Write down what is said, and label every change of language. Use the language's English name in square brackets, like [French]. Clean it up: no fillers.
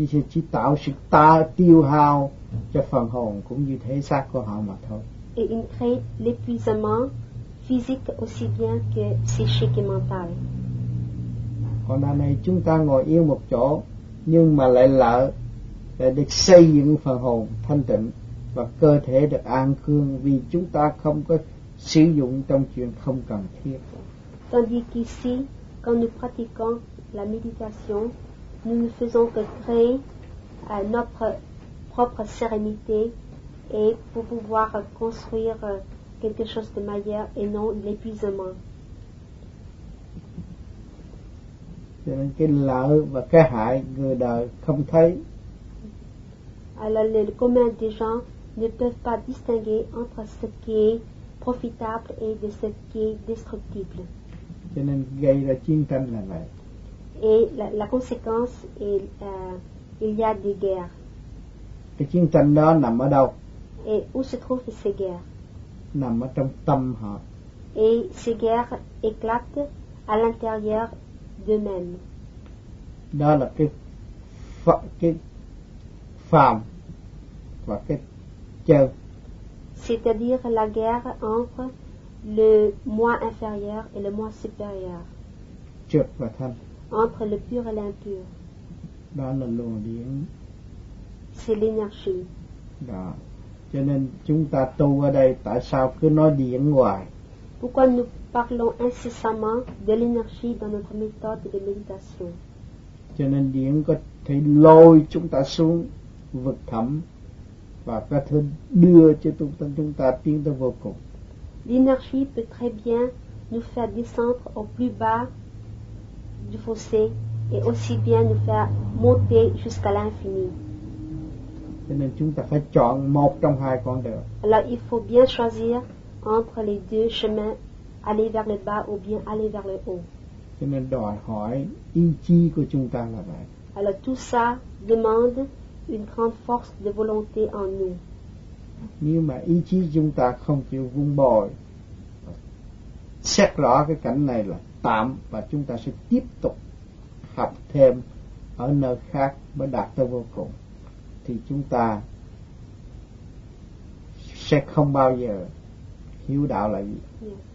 [Vietnamese] Chỉ tạo sự ta tiêu hao cho phần hồn cũng như thể xác của họ mà thôi. [French] et entraîne l'épuisement physique aussi bien que psychique et mental. [Vietnamese] Còn đằng này chúng ta ngồi yên một chỗ nhưng mà lại lỡ để được xây dựng phần hồn thanh tịnh và cơ thể được an cương vì chúng ta không có sử dụng trong chuyện không cần thiết. [French] Tandis qu'ici, quand nous pratiquons la méditation, nous ne faisons que créer notre propre sérénité et pour pouvoir construire quelque chose de meilleur et non l'épuisement. [Vietnamese] Cho nên cái lợi và cái hại người đời không thấy. [French] Alors les communs des gens ne peuvent pas distinguer entre ce qui est profitable et de ce qui est destructible. [Vietnamese] Cho nên gây ra chiến tranh là vậy. [French] Et la conséquence est il y a des guerres. [Vietnamese] Cái chiến tranh đó nằm ở đâu? [French] Et où se trouvent ces guerres? [Vietnamese] Nằm ở trong tâm họ. [French] Et ces guerres éclatent à l'intérieur d'eux-mêmes. [Vietnamese] Đó là cái phàm và cái chân. [French] C'est-à-dire la guerre entre le moi inférieur et le moi supérieur. [Vietnamese] Trực và thanh. [French] Entre le pur et l'impur. [Vietnamese] Đó là luồng điện. [French] C'est l'énergie. [Vietnamese] Đó. Cho nên chúng ta tu ở đây tại sao cứ nói điện hoài? [French] Pourquoi nous parlons incessamment de l'énergie dans notre méthode de méditation? [Vietnamese] Cho nên điện có thể lôi chúng ta xuống vực thẳm và có thể đưa cho chúng ta tiến tới vô cùng. [French] L'énergie peut très bien nous faire descendre au plus bas du fossé et aussi bien nous faire monter jusqu'à l'infini. [Vietnamese] Cho nên chúng ta phải chọn một trong hai con đường. [French] Alors il faut bien choisir entre les deux chemins, aller vers le bas ou bien aller vers le haut. [Vietnamese] Cho nên đòi hỏi ý chí của chúng ta là vậy. [French] Alors tout ça demande une grande force de volonté en nous. [Vietnamese] Nếu mà ý chí chúng ta không chịu vun bồi, xét rõ cái cảnh này là tạm và chúng ta sẽ tiếp tục học thêm ở nơi khác mới đạt tới vô cùng. Thì chúng ta sẽ không bao giờ hiểu đạo là gì.